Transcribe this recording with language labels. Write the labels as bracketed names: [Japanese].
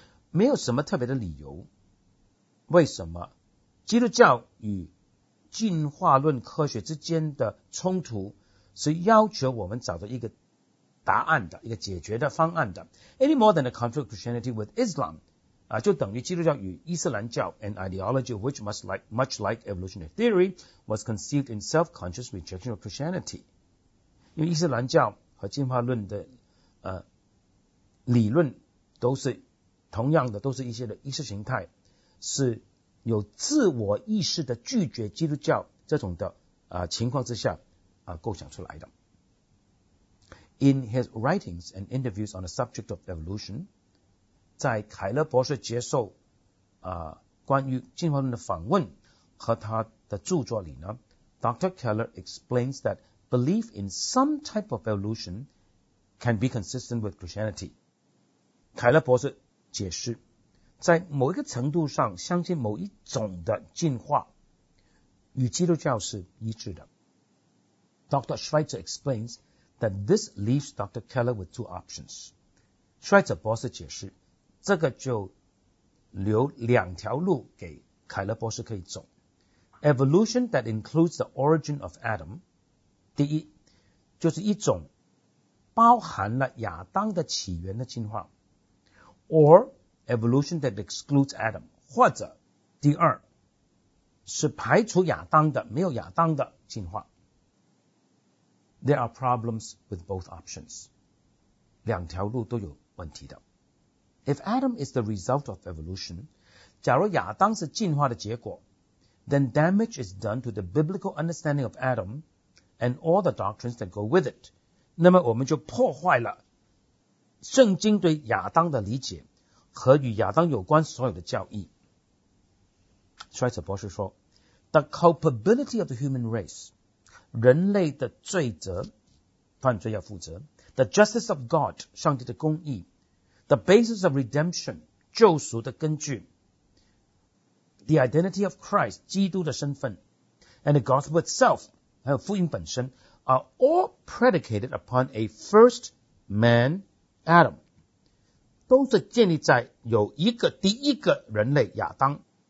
[Chinese] 没有什么特别的理由，为什么基督教与进化论科学之间的冲突是要求我们找到一个答案的，一个解决的方案的。 [English] Any more than the conflict of Christianity with Islam [Chinese] 就等于基督教与伊斯兰教 [English] an ideology which much like evolutionary theory was conceived in self-conscious rejection of Christianity. [Chinese] 因为伊斯兰教和进化论的理论都是同样的，都是一些的意识形态，是有自我意识的拒绝基督教这种的情况之下构想出来的。 [English] In his writings and interviews on the subject of evolution, [Chinese] 在凯勒博士接受关于进化论的访问和他的著作里呢， Dr. [English] Keller explains that belief in some type of evolution can be consistent with Christianity. [Chinese] 凯勒博士解释，在某一个程度上相信某一种的进化与基督教是一致的。 [English] Dr. Schweitzer explains that this leaves Dr. Keller with two options. [Chinese] 施特博士解释这个就留两条路给凯勒博士可以走。 [English] Evolution that includes the origin of Adam, [Chinese] 第一就是一种包含了亚当的起源的进化， [English] or evolution that excludes Adam, [Chinese] 或者第二是排除亚当的没有亚当的进化。 [English] There are problems with both options, [Chinese] 两条路都有问题的。 [English] If Adam is the result of evolution, [Chinese] 假如亚当是进化的结果, [English] then damage is done to the biblical understanding of Adam and all the doctrines that go with it. [Chinese] 那么我们就破坏了圣经对亚当的理解和与亚当有关所有的教义。 [English] Schweitzer [Chinese] 博士说, [English] The culpability of the human race, [Chinese] 人类的罪责,犯罪要负责, [English] The justice of God, [Chinese] 上帝的公义, [English] The basis of redemption, [Chinese] 救赎的根据, [English] The identity of Christ, [Chinese] 基督的身份, [English] and the gospel itself, [Chinese] 还有福音本身, [English] are all predicated upon a first man, Adam, [Chinese] 都是建立在有一个第一个人类亚当